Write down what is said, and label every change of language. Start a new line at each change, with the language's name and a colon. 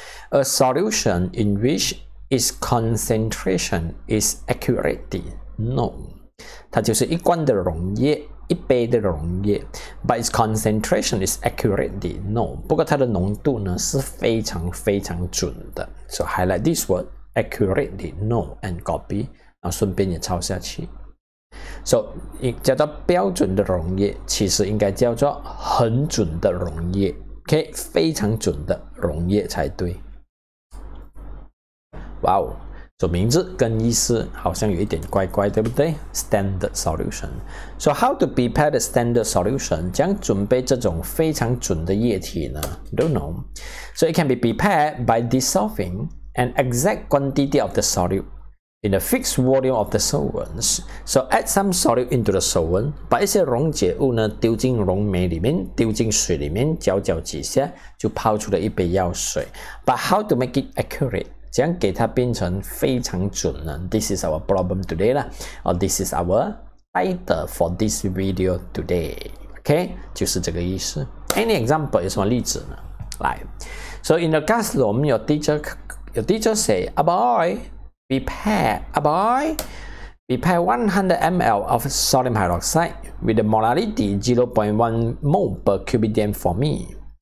English: A solution in which its concentration is accurately known.
Chinese: 它就是一罐的溶液，一杯的溶液。
English: But its concentration is accurately known.
Chinese: 不过它的浓度呢是非常非常准的。
English: So highlight this word, accurately known, and copy.
Chinese: 然后顺便也抄下去。 So, 叫做标准的溶液，其实应该叫做很准的溶液。 Okay, 非常准的溶液才对。哇哦，所以名字跟意思好像有一点怪怪，对不对 ？
English: Standard solution. So how to prepare the standard solution?
Chinese: 将准备这种非常准的液体呢
English: ？Don't know. So it can be prepared by dissolving an exact quantity of the solute in a fixed volume of the solvents. So add some solute into the solvent.
Chinese: 把一些溶解物呢丢进溶媒里面，丢进水里面，搅搅几下，就泡出了一杯药水。
English: But how to make it accurate?
Chinese: 怎样给它变成非常准呢
English: ？This is our problem today 啦 ，or this is our title for this video today.
Chinese: OK， 就是这个意思。
English: Any example
Chinese: 有什么例子呢？
English: 来 ，So in the classroom, your teacher say, "A boy, prepare a boy, prepare 100 ml of sodium hydroxide with the molality 0.1 mole per cubic cm for me."